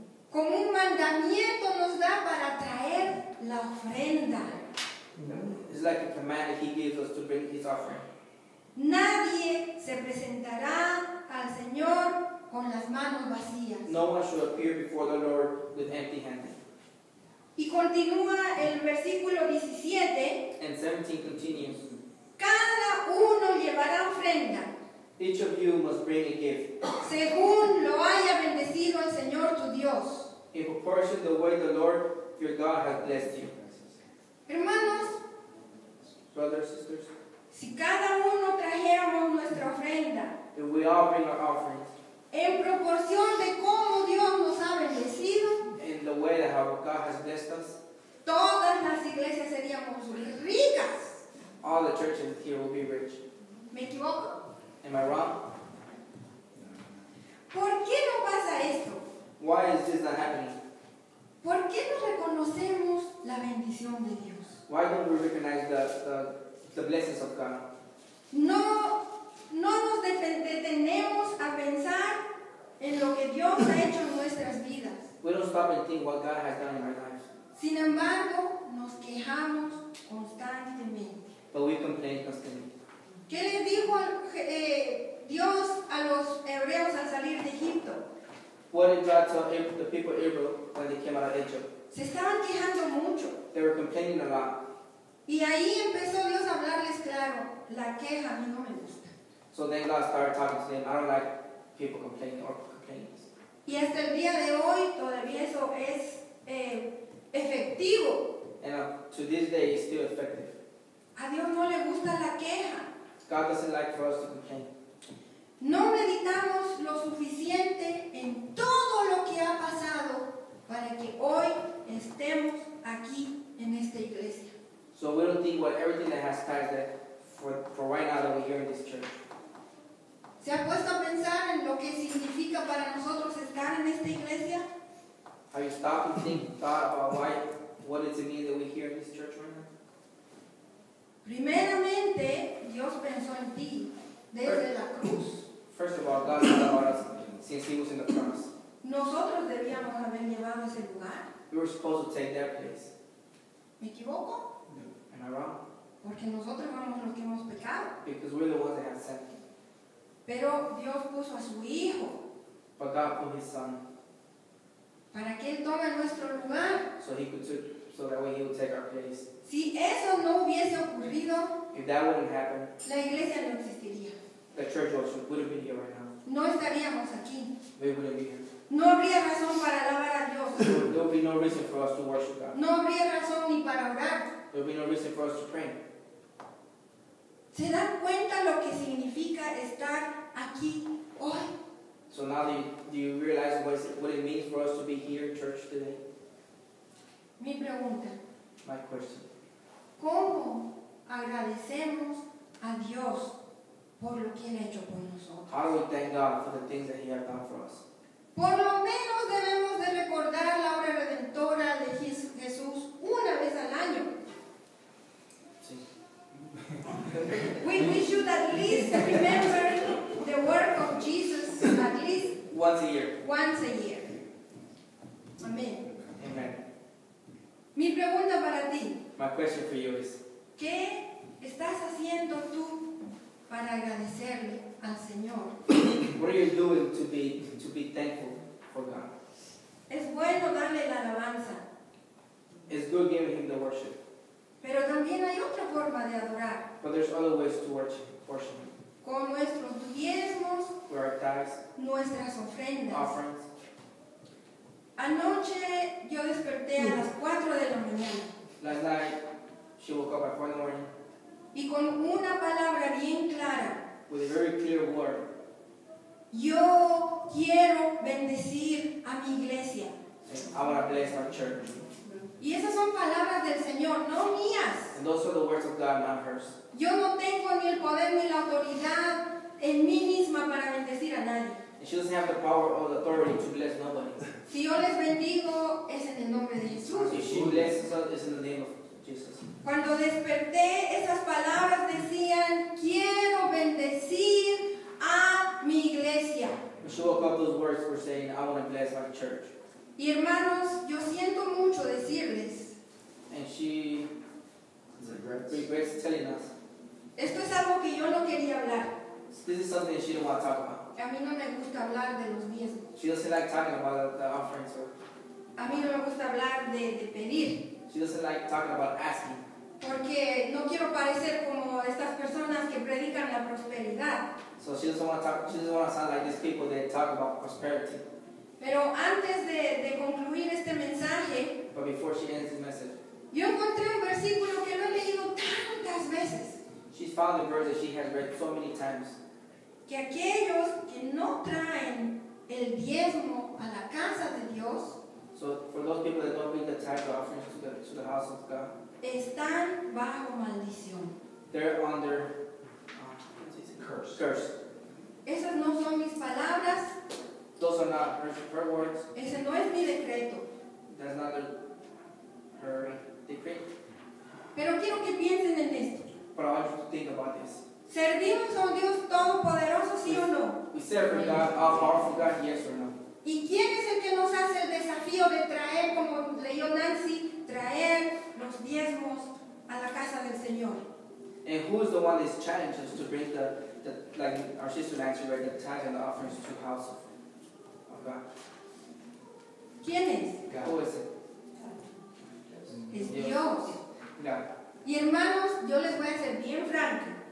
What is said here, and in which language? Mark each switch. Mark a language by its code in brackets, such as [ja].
[es] como un mandamiento nos da para traer la ofrenda. [en] It's like a command that he gives us to bring his offering. [es] Nadie se presentará al Señor con las manos vacías. [en] No one should appear before the Lord with empty hands. [es] Y continúa el versículo 17. [en] And 17 continues. [es] Cada uno llevará ofrenda. [en] Each of you must bring a gift. [es] Según lo haya bendecido el Señor tu Dios. [en] In proportion the way the Lord your God has blessed you. [es] Hermanos, [en] brothers, sisters, [es] si cada uno trajéramos nuestra ofrenda, [en] if we all bring our offerings, [es] en proporción de cómo Dios nos ha bendecido, [en] in the way that how God has blessed us, [es] todas las iglesias seríamos ricas. [en] All the churches here will be rich. [es] ¿Me equivoco? [en] Am I wrong? [es] ¿Por qué no pasa esto? [en] Why is this not happening? [es] ¿Por qué no reconocemos la bendición de Dios? [en] Why don't we recognize the blessings of God? [es] No nos detenemos a pensar en lo que Dios ha hecho en nuestras vidas. [en] We don't stop and think what God has done in our lives. [es] Sin embargo, nos quejamos constantemente. [en] But we complain constantly. [es] ¿Qué le dijo Dios a los hebreos al salir de Egipto? [en] What did God tell the people of Israel when they came out of Egypt? [es] Se estaban quejando mucho. [en] They were complaining a lot. [es] Y ahí empezó Dios a hablarles claro, la queja a mí no me gusta. [en] So then God started talking to them, I don't like people complaining or complainers. [es] Y hasta el día de hoy todavía eso es efectivo. [en] And to this day it's still effective. [es] A Dios no le gusta la queja. [en] God doesn't like for us to complain. [es] No meditamos lo suficiente en todo lo que ha pasado para que hoy estemos aquí en esta iglesia. [en] So we don't think what everything that has passed that for right now that we're here in this church. [es] ¿Se ha puesto a pensar en lo que significa para nosotros estar en esta iglesia? [en] Have you stopped and thought about why, what it means that we're here in this church right now? [es] Primeramente, Dios pensó en ti. Desde la cruz. [en] First of all, God thought about us since he was in the cross. [es] Nosotros debíamos haber llevado ese lugar. [en] We were supposed to take that place. [es] ¿Me equivoco? [en] No. Am I wrong? [es] Porque nosotros somos los que hemos pecado. [en] Because we're the ones that have sinned. [es] Pero Dios puso a su Hijo. [en] But God put his Son. [es] Para que Él tome nuestro lugar. [en] So that way he would take our place. [es] Si eso no hubiese ocurrido, [en] if that wouldn't happen, [es] la iglesia no existiría. [en] The church wouldn't be here right now. [es] No estaríamos aquí. [en] We wouldn't be here. [es] No habría razón para alabar a Dios. [en] There would be no reason for us to worship God. [es] No habría razón ni para orar. [en] There would be no reason for us to pray. [es] ¿Se da cuenta lo que significa estar aquí hoy? [en] So now do you realize what it means for us to be here in church today? [es] Mi pregunta. [en] My question. [es] ¿Cómo agradecemos a Dios por lo que ha hecho por nosotros? [en] How do we thank God for the things that He has done for us? [es] Por lo menos debemos de recordar la obra redentora de Jesús una vez al año. [en] We should at least remember the work of Jesus at least once a year. Once a year. Amen. Amen. [es] Mi pregunta para ti. [en] My question for you is, [es] ¿qué estás haciendo tú para agradecerle al Señor? [en] What are you doing to be thankful for God? [es] Es bueno darle la alabanza. [en] It's good giving Him the worship. [es] Pero también hay otra forma de adorar. [en] But there's other ways to worship. [es] Con nuestros diezmos. [en] With our tithes. [es] Nuestras ofrendas. [en] Offerings. [es] Anoche yo desperté a las 4 de la mañana. [en] Last night, she woke up at 4 in the morning. [es] Y con una palabra bien clara. [en] With a very clear word. [es] Yo quiero bendecir a mi iglesia. [en] I want to bless our church. [es] Y esas son palabras del Señor, no mías. [en] And those are the words of God, not hers. [es] Yo no tengo ni el poder ni la autoridad en mí misma para bendecir a nadie. [en] And she doesn't have the power or the authority to bless nobody. [es] Si yo les bendigo, es en el nombre de Jesús. [en] If she blesses us, it's in the name of Jesus. [es] Cuando desperté, esas palabras decían, quiero bendecir a mi iglesia. [en] When she woke up, those words were saying, I want to bless my church. [es] Y hermanos, yo siento mucho decirles. [en] And she regrets telling us. [es] Esto es algo que yo no quería hablar. [en] This is something she didn't want to talk about. [es] A mí no me gusta hablar de los diezmos. [en] She doesn't like talking about the offerings. Or... [es] A mí no me gusta hablar de pedir. [en] She doesn't like talking about asking. [es] Porque no quiero parecer como estas personas que predican la prosperidad. [en] So she doesn't want to talk. She doesn't want to sound like these people that talk about prosperity. [es] Pero antes de concluir este mensaje, [en] but before she ends the message, [es] yo encontré un versículo que lo he leído tantas veces. [en] She found a verse that she has read so many times. [es] Que aquellos que no traen el diezmo a la casa de Dios, [en] so for those people that don't bring the tithe offerings to the house of God, [es] están bajo maldición. [en] They're under curse. [es] Esas no son mis palabras. [en] Those are not her words. [es] Ese no es mi decreto. [en] That's not her decree. [es] Pero quiero que piensen en esto. [en] But I want you to think about this. [es] ¿Servimos a un Dios todopoderoso, sí o no? [en] We serve a God, a powerful God, yes or no? [es] ¿Y quién es el que nos hace el desafío de traer, como leyó Nancy, traer los diezmos a la casa del Señor? [en] And who is the one that's challenging us to bring the like our sister Nancy, right, the tithes and the offerings to the house of God. [es] ¿Quién es? [en] God. Who is it? [es] Es Dios. [en] God. [es] Y hermanos, yo les voy a ser bien franco.